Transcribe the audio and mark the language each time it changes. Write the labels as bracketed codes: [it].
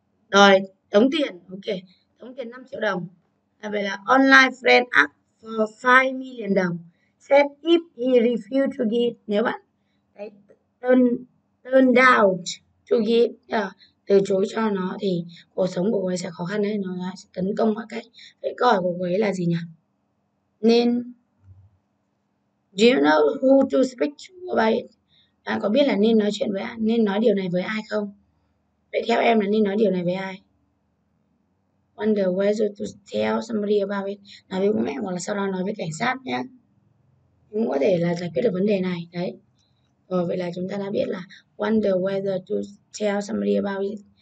[vi] Rồi, tống tiền. Ok, tống tiền 5 triệu đồng. À, vậy là [en] online friend ask for 5 million đồng. Said if he refused to give. [vi] Nếu bạn đấy, [en] turn down to give, [vi] từ chối cho nó thì cuộc sống của cô ấy sẽ khó khăn đấy. Nó sẽ tấn công mọi cách. Vậy câu hỏi của cô ấy là gì nhỉ? Nên [en] do you know who to speak to about it? [vi] Bạn có biết là nên nói chuyện với ai, nên nói điều này với ai không? Vậy theo em là nên nói điều này với ai? [en] Wonder whether to tell somebody about it. [vi] Nói với bố mẹ hoặc là sau đó nói với cảnh sát nhé. Cũng có thể là giải quyết được vấn đề này. Đấy. Rồi vậy là chúng ta đã biết là [en] wonder whether to tell somebody about it.